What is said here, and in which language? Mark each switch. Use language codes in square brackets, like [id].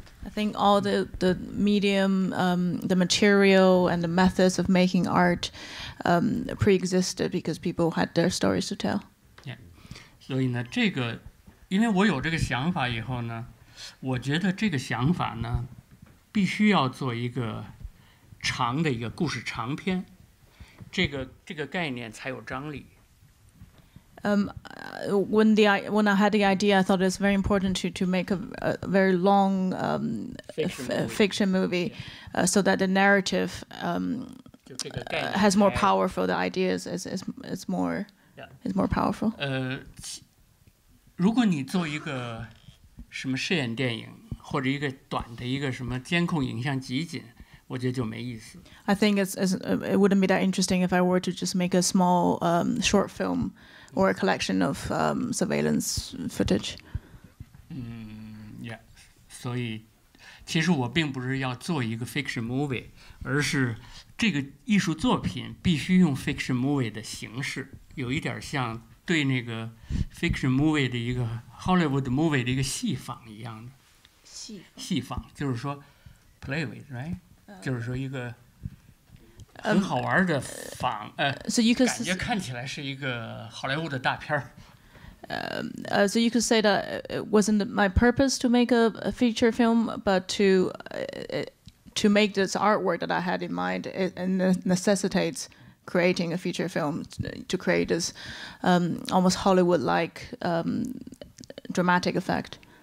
[en] I think all the medium, the material and the methods of making art, pre-existed because people had their stories to tell. Yeah. [zh] 所以呢，这个，因为我有这个想法以后呢，我觉得这个想法呢，必须要做一个。长的一个故事长篇，这个概念才有张力。 [en] when I had the idea, I thought it was very important to make a very long fiction movie. Yeah. So that the narrative has more power for the ideas is more powerful. [zh] 如果你做一个什么试验电影或者一个短的一个什么监控影像集锦。 [en] I think it wouldn't be that interesting if I were to just make a small short film or a collection of surveillance footage. [zh] Yeah. 所以其实我并不是要做一个 fiction movie, 而是这个艺术作品必须用 fiction movie 的形式，有一点像对那个 fiction movie 的一个 Hollywood movie 的一个戏仿一样的。戏仿就是说 [en] play with, right? [zh] 就是说一个很好玩的仿 [en] so you could [zh] 感觉看起来是一个好莱坞的大片儿 [en] so you could say that it wasn't my purpose to make a feature film, but to make this artwork that I had in mind and necessitates creating a feature film to create this almost Hollywood-like dramatic effect.